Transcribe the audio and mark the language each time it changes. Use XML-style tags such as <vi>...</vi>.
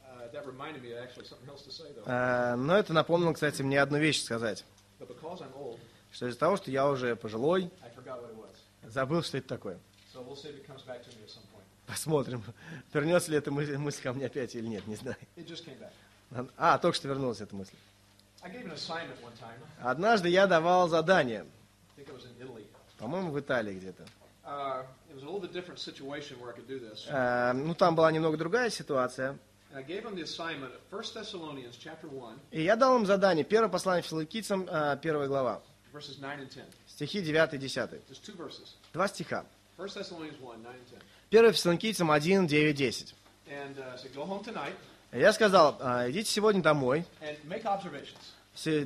<en>That reminded me of actually something else to say, though.</en> <ru>Но это напомнило, кстати, мне одну вещь сказать.</ru> <en>But because I'm old,</en> <ru>что из-за того, что я уже пожилой,</ru> <en>I forgot what it was.</en> <ru>Забыл, что это такое.</ru> <en>So we'll see if it comes back to me at some point.</en> <ru>Посмотрим, вернется ли эта мысль ко мне опять или нет, не знаю.</ru> <en>It just came back.</en> <ru>Только что вернулась эта мысль.</ru> <en>I gave an assignment one time.</en> <ru>Однажды я давал задание.</ru> <en>I think it was in Italy.</en> <ru>По-моему, в Италии где-то.</ru> <en>It was a little bit different situation where I could do this.</en> <ru>Там была немного другая ситуация.</ru> <en>And I gave them the assignment of 1 Thessalonians chapter 1.</en> <ru>И я дал им задание, первое послание Фессалоникийцам, первая глава.</ru> <en>Verses 9 and 10.</en> <ru>Стихи 9 и 10.</ru> <en>Just two verses.</en> <ru>Два стиха.</ru> <en>1 Thessalonians 1, 9 and 10.</en> <ru>Первое Фессалоникийцам 1, 9 и 10.</ru> <en>And so go home tonight.</en> <ru>Я сказал, идите сегодня домой.</ru> <en>And make observations.</en>